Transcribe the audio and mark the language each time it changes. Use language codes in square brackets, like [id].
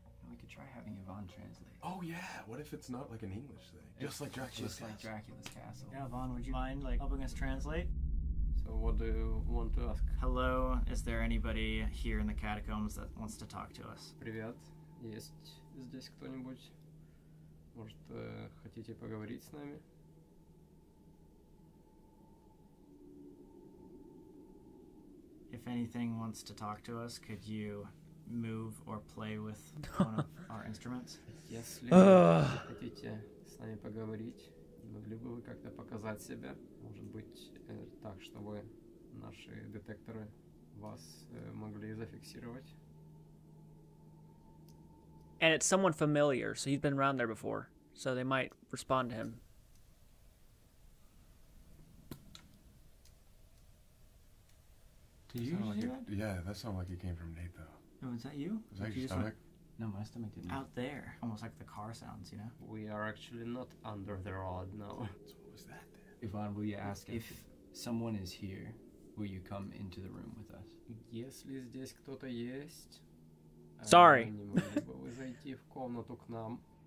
[en] We could try having Yvonne translate. Oh yeah, what if it's not like an English thing? It's just like Dracula's just castle. Like Dracula's castle. Yeah, Yvonne, would you mind like helping us translate? So what do you want to ask? Hello, is there anybody here in the catacombs that wants to talk to us? [ru] Привет. Есть здесь кто-нибудь? Может, хотите поговорить с нами? [en] If anything wants to talk to us, could you move or play with one of our instruments? [ru] Если хотите с нами поговорить, могли бы вы как-то показать себя? Может быть, так, чтобы наши детекторы вас могли зафиксировать. [en] And it's someone familiar, so he's been around there before, so they might respond to him. Did you hear that? Yeah, that sounded like it came from Nate, though. Oh, is that you? Is that your stomach? No, my stomach didn't. Out there. Almost like the car sounds, you know? We are actually not under the rod, no. So what was that then? Yvonne, will you ask if someone is here, will you come into the room with us? [ru] Если здесь кто-то есть... [en] Sorry. [ru] Не могу бы зайти в комнату к нам.